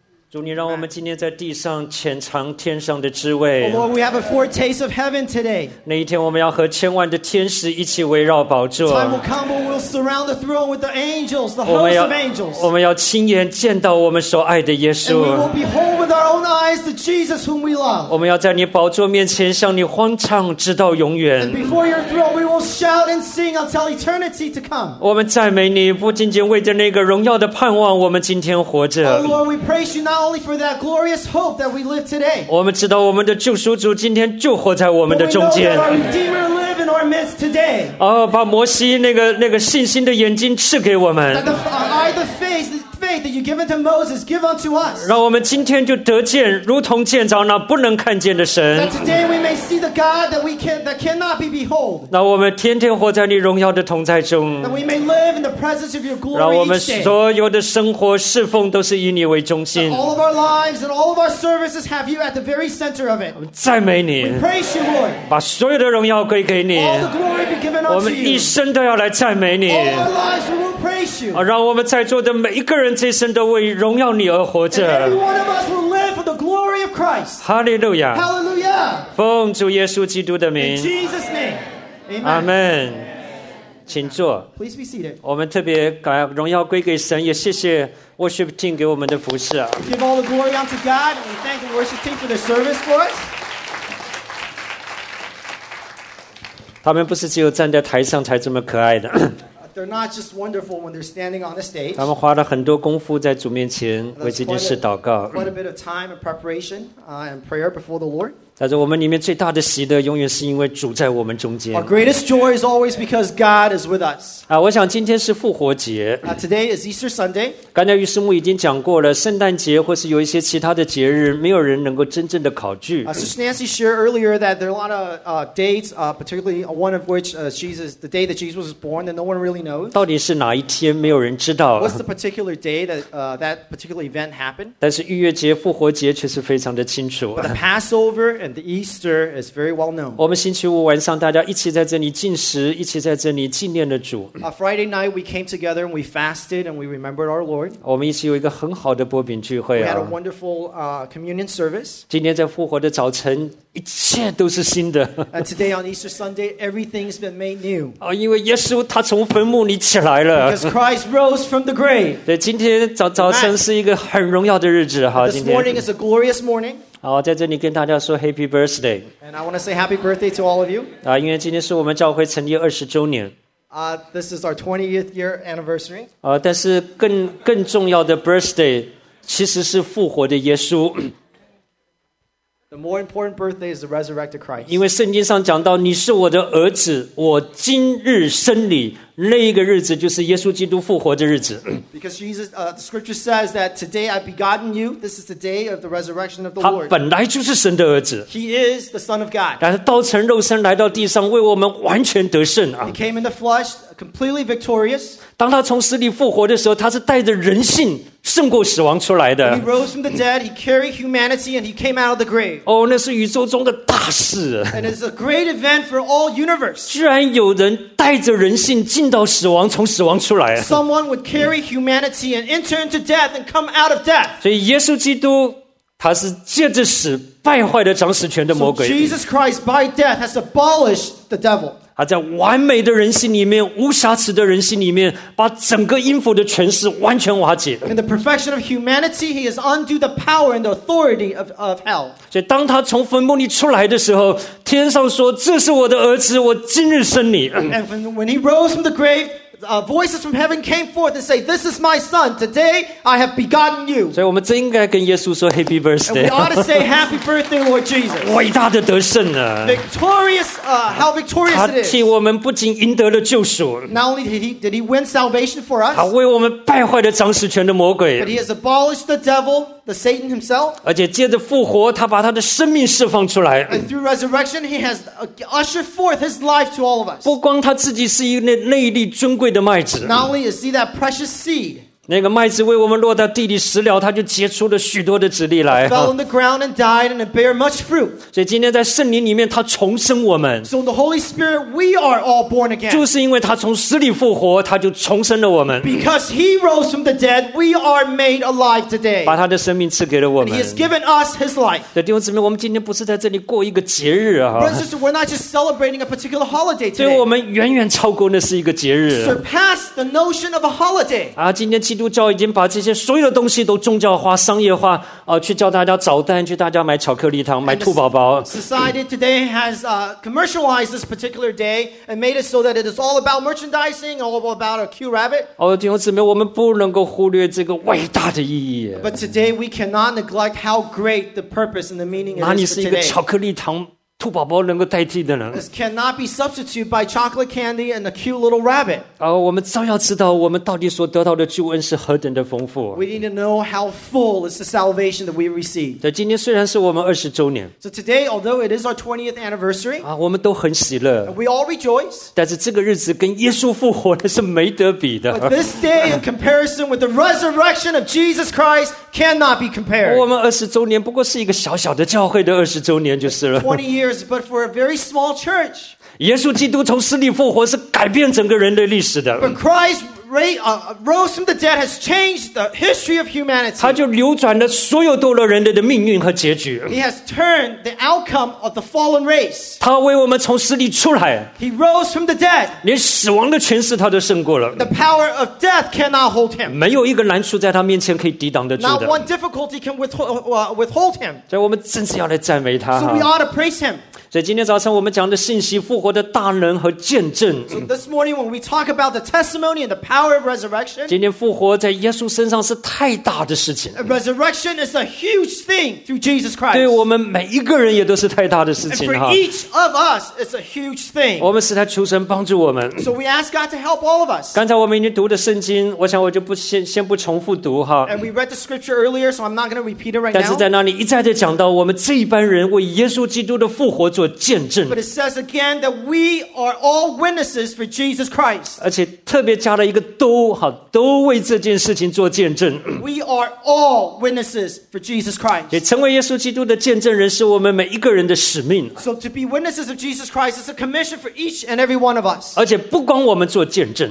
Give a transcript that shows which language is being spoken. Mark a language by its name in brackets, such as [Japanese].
[Chinese] 主，你让我们今天在地上浅尝天上的滋味。 [English] Oh Lord, we have a foretaste of heaven today. [Chinese] 那一天我们要和千万的天使一起围绕宝座。 [English] Time will come when we'll surround the throne with the angels, the hosts of angels. [Chinese] 我们要亲眼见到我们所爱的耶稣。 [English] And we will behold with our own eyes the Jesus whom we love. [Chinese] 我们要在你宝座面前向你欢唱直到永远。 [English] And before your throne, we will shout and sing until eternity to come. [Chinese] 我们赞美你，不仅仅为着那个荣耀的盼望，我们今天活着。 [English] Oh Lord, we praise you now. Not only for that glorious hope that we live today. [Chinese] 我们知道我们的救赎主今天就活在我们的中间。 [English] But we know that our Redeemer lives in our midst today. [Chinese] 哦，把摩西那个信心的眼睛赐给我们。 [English] That the eye, the faith, that you given to Moses, give unto us. [Chinese] 让我们今天就得见，如同见着那不能看见的神。 [English] That today we may see the God that we can that cannot be behold. [Chinese] 让我们天天活在你荣耀的同在中。 [English] That we may live in the presence of your glory. [Chinese] 让我们所有的生活侍奉都是以你为中心。 [English] That all of our lives and all of our services have you at the very center of it. [Chinese] 赞美你。 [English] We praise you, Lord. [Chinese] 把所有的荣耀归给你。 [English] All the glory be given unto you. [Chinese] 我们一生都要来赞美你。 [English] All our lives we will praise you. [Chinese] 让我们在座的每一个人。这生都为荣耀你而活着。 [English] And every one of us will live for the glory of Christ. Hallelujah. Hallelujah. [Chinese] 奉主耶稣基督的名。 [English] In Jesus' name. Amen. [Chinese] Amen. 请坐。 [English] Please be seated. [Chinese] 我们特别把荣耀归给神，也谢谢 [English] worship team [Chinese] 给我们的服侍。 [English] Give all the glory unto God. We thank the worship team for their service for us. [Chinese] 他们不是只有站在台上才这么可爱的。 [English] They're not just wonderful when they're standing on the stage. [Chinese] 他们花了很多功夫在主面前为这件事祷告。 [English] Quite a bit of time and preparation, and prayer before the Lord. [Chinese] 但是我们里面最大的喜乐永远是因为主在我们中间。 [English] Our greatest joy is always because God is with us. [Chinese] 我想今天是复活节。 [English] Today is Easter Sunday. [Chinese] 刚才于师母已经讲过了，圣诞节或是有一些其他的节日，没有人能够真正的考据。 [English] Sister Nancy shared earlier that there are a lot of dates, particularly one of which Jesus, the day that Jesus was born, that no one really knows. [Chinese] 到底是哪一天，没有人知道。 [English] What's the particular day that that particular event happened? [Chinese] 但是逾越节、复活节却是非常的清楚。 [English] But the Passover and the Easter is very well known. [Chinese] 我们星期五晚上大家一起在这里进食，一起在这里纪念了主。 [English] Friday night we came together and we fasted and we remembered our Lord. [Chinese] 我们一起有一个很好的擘饼聚会。 [English] We had a wonderful communion service. [Chinese] 今天在复活的早晨，一切都是新的。 [English] And today on Easter Sunday, everything's been made new. [Chinese] 因为耶稣他从坟墓里起来了。 [English] Because Christ rose from the grave. [Chinese] 对，今天早晨是一个很荣耀的日子哈。 [English] This morning is a glorious morning. [Chinese] 好，在这里跟大家说 [English] Happy Birthday. And I want to say Happy Birthday to all of you. [Chinese] 因为今天是我们教会成立20周年。 [English] This is our 20th year anniversary. [Chinese] 但是更重要的 birthday 其实是复活的耶稣。 [English] The more important birthday is the resurrected Christ. [Chinese] 因为圣经上讲到你是我的儿子，我今日生你，那一个日子就是耶稣基督复活的日子。 [English] Because Jesus, the scripture says that today I've begotten you, this is the day of the resurrection of the Lord. [Chinese] 他本来就是神的儿子。 [English] He is the Son of God. [Chinese] 但是道成肉身来到地上为我们完全得胜。 [English] He came in the flesh, completely victorious. [Chinese] 当他从死里复活的时候，他是带着人性胜过死亡出来的。 [English] He rose from the dead, he carried humanity, and he came out of the grave. [Chinese] 那是宇宙中的大事。 [English] And it's a great event for all universe. [Chinese] 居然有人带着人性进到死亡，从死亡出来。 [English] Someone would carry humanity and enter into death and come out of death. [Chinese] 所以耶稣基督他是借着死败坏了掌死权的魔鬼。 [English] So Jesus Christ by death has abolished the devil. [Chinese] 他在完美的人性里面，无瑕疵的人性里面，把整个阴府的权势完全瓦解。 [English] In the perfection of humanity, he has undo the power and the authority of hell. [Chinese] 所以当他从坟墓里出来的时候，天上说：“这是我的儿子，我今日生你。” [English] And when he rose from the grave, voices from heaven came forth and say, "This is my son. Today I have begotten you." [Chinese] 所以我们真应该跟耶稣说 [English] Happy Birthday. And we ought to say Happy Birthday, Lord Jesus. [Chinese] 伟大的得胜啊！ [English] Victorious, how victorious it is! [Chinese] 他替我们不仅赢得了救赎， [English] not only did he win salvation for us, [Chinese] 他为我们败坏了掌死权的魔鬼， [English] but he has abolished the devil, the Satan himself. [Chinese] 而且借着复活，他把他的生命释放出来。 [English] And through resurrection, he has ushered forth his life to all of us. [Chinese] 不光他自己是一那那一粒尊贵的麦子。 [English] Not only is he that precious seed. [Chinese] 那个麦子为我们落到地里实了，他就结出了许多的子粒来。 [English] Fell on the ground and died, and it bear much fruit. [Chinese] 所以今天在圣灵里面，他重生我们。 [English] So in the Holy Spirit, we are all born again. [Chinese] 就是因为他从死里复活，他就重生了我们。 [English] Because he rose from the dead, we are made alive today. [Chinese] 把他的生命赐给了我们。 [English] He has given us his life. [Chinese] 弟兄姊妹，我们今天不是在这里过一个节日啊。 [English] Brothers and sisters, we're not just celebrating a particular holiday today. [Chinese] 对我们远远超过那是一个节日。 [English] Surpass the notion of a holiday. [Chinese] 啊，今天基督教已经把这些所有的东西都宗教化、商业化，去叫大家找蛋，去大家买巧克力糖、买兔宝宝。 [English] Society today has commercialized this particular day and made it so that it is all about merchandising, all about a cute rabbit. [Chinese] 哦，弟兄姊妹，我们不能够忽略这个伟大的意义。 [English] But today we cannot neglect how great the purpose and the meaning is today. [Chinese] 哪里是一个巧克力糖、兔宝宝能够代替的呢？ [English] This cannot be substituted by chocolate candy and a cute little rabbit. [Chinese] 我们照要知道我们到底所得到的救恩是何等的丰富。 [English] We need to know how full is the salvation that we receive. [Chinese] 对，今天虽然是我们二十周年。 [English] So today, although it is our 20th anniversary, [Chinese] 我们都很喜乐。 [English] We all rejoice. [Chinese] 但是这个日子跟耶稣复活的是没得比的。 [English] But this day, in comparison with the resurrection of Jesus Christ, cannot be compared. [Chinese] 我们二十周年不过是一个小小的教会的二十周年就是了。 [English] 20 years. But for a very small church. [Chinese] 耶稣基督从死里复活是改变整个人类历史的。 [English] But Christ rose from the dead has changed the history of humanity. [Chinese] 他就扭转了所有堕落人类的命运和结局。 [English] He has turned the outcome of the fallen race. [Chinese] 他为我们从死里出来。 [English] He rose from the dead. [Chinese] 连死亡的权势他都胜过了。 [English] The power of death cannot hold him. [Chinese] 没有一个难处在他面前可以抵挡得住的。 [English] Not one difficulty can withhold him. [Chinese] 所以我们真是要来赞美他。 [English] So we ought to praise him. [Chinese] 所以今天早晨我们讲的信息复活的大能和见证。 [English] So this morning when we talk about the testimony and the power of resurrection. [Chinese] 今天复活在耶稣身上是太大的事情。 [English] Resurrection is a huge thing through Jesus Christ. [Chinese] 对我们每一个人也都是太大的事情。 [English] And for each of us, it's a huge thing. [Chinese] 我们是来求神帮助我们。 [English] So we ask God to help all of us. [Chinese] 刚才我们已经读的圣经，我想我就先不重复读哈。 [English] And we read the scripture earlier, so I'm not going to repeat it right now. [Chinese] 但是在那里一再的讲到我们这一班人为耶稣基督的复活做见证。 [English] But it says again that we are all witnesses for Jesus Christ. [Chinese] 而且特别加了一个都哈，都为这件事情做见证。 [English] We are all witnesses for Jesus Christ. [Chinese] 也成为耶稣基督的见证人是我们每一个人的使命。 [English] So to be witnesses of Jesus Christ is a commission for each and every one of us. [Chinese] 而且不光我们做见证。